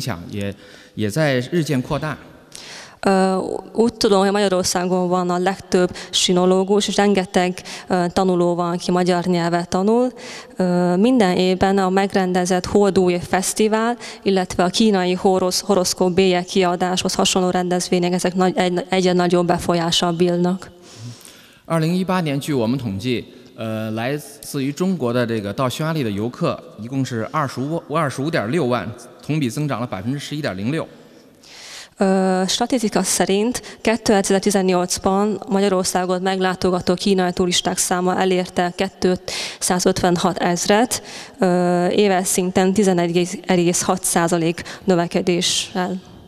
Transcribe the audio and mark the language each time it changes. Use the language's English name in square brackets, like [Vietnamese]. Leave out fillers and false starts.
[Chinese] 目前匈牙利有许多众多的汉学家和学习汉语的普通民众，每年举办的欢乐春节和中国生肖邮票发行仪式的影响也在日渐扩大。 [Hungarian] Úgy tudom, hogy Magyarországon van a legtöbb sinológus, és rengeteg tanuló van, aki magyar nyelvet tanul. Minden évben a megrendezett Holdúj Fesztivál, illetve a kínai horoszkóp bélyek kiadáshoz hasonló rendezvények, ezek egyre nagyobb befolyással bírnak. [Chinese] 2018年据我们统计，来自于中国的这个到匈牙利的游客一共是 25.6万，同比增长了11.06%。 [Hungarian] Statisztika szerint 2018-ban Magyarországot meglátogató kínai turisták száma elérte 256 000-et, éves szinten 11,6% növekedéssel.